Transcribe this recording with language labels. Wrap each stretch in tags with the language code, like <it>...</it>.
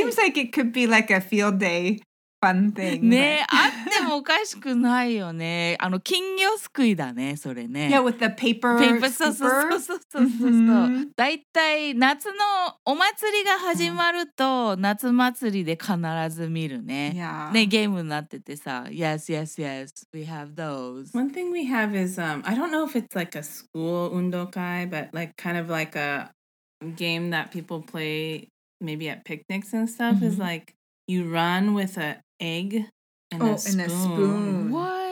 <en>It seems like it could be like a field day. Fun thing,</en> <ja>ね、あってもおかしくないよね。あの金魚すくいだね、それね。</ja> <en>Yeah, with the paper scooper.</en> <ja>そうそうそうそうそうそう。 Mm-hmm. だいたい夏のお祭りが始まると、mm-hmm. 夏祭りで必ず見るね。</ja> <en>Yeah.</en> <ja>ね、ゲームになっててさ。</ja> <en>Yes, yes, yes. We have those. One thing we have is, I don't know if it's like a school 運動会, but like kind of like a game that people play maybe at picnics and stuff、mm-hmm. is like you run with aegg and a spoon. What?</en>